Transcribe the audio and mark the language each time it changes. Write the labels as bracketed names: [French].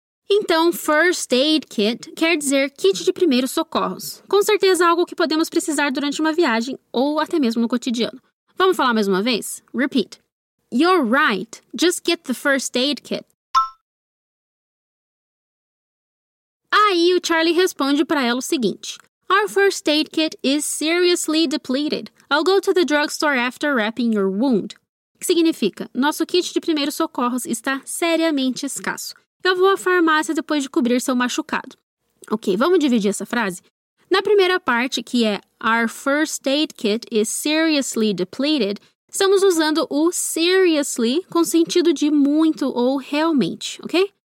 [Portuguese] Então, first aid kit quer dizer kit de primeiros socorros. Com certeza, algo que podemos precisar durante uma viagem ou até mesmo no cotidiano. Vamos falar mais uma vez? [English] Repeat. You're right. Just get the first aid kit. [Portuguese] Aí o Charlie responde para ela o seguinte. [English] Our first aid kit is seriously depleted. I'll go to the drugstore after wrapping your wound. [Portuguese] Que significa? Nosso kit de primeiros socorros está seriamente escasso. Eu vou à farmácia depois de cobrir seu machucado. Ok, vamos dividir essa frase? Na primeira parte, que é [English] Our first aid kit is seriously depleted, [Portuguese] estamos usando o seriously com sentido de muito ou realmente, ok?